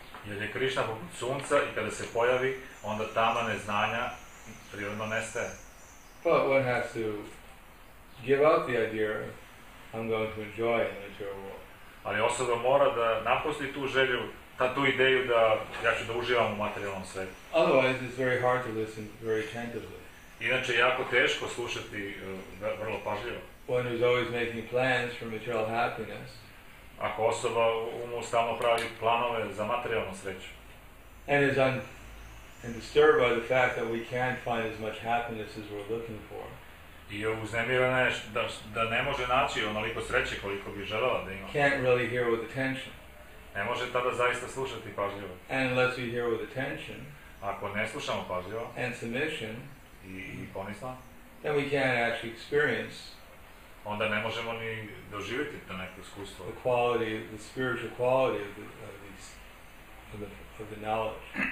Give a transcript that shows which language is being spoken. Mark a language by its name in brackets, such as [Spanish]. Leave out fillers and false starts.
[Croatian] Jer je Krishna poput sunca i kada se pojavi, onda tama neznanja prirodno nestaje. [English] But one has to give up the idea of I'm going to enjoy the material world. [Croatian] Ali osoba mora da napusti tu želju, tu ideju da ja ću da uživam u materijalnom svijetu. [English] Otherwise it's very hard to listen very attentively. [Croatian] Inače je jako teško slušati vrlo pažljivo. [English] One who's always making plans for material happiness. [Croatian] Ako osoba umu stalno pravi planove za materijalnu sreću. [English] And is disturbed by the fact that we can't find as much happiness as we're looking for. [Croatian] I je uznemirana da ne može naći onoliko sreće koliko bi želela da ima. [English] Can't really hear with attention. [Croatian] Ne može tada zaista slušati pažljivo. [English] And unless we hear with attention, [Croatian] ako ne slušamo pažljivo, [English] and submission, [Croatian] i ponisla, [English] then we can't actually experience [Croatian] onda ne možemo ni doživjeti to neko iskustvo. [English] The quality, the spiritual quality of the, of these, of the knowledge.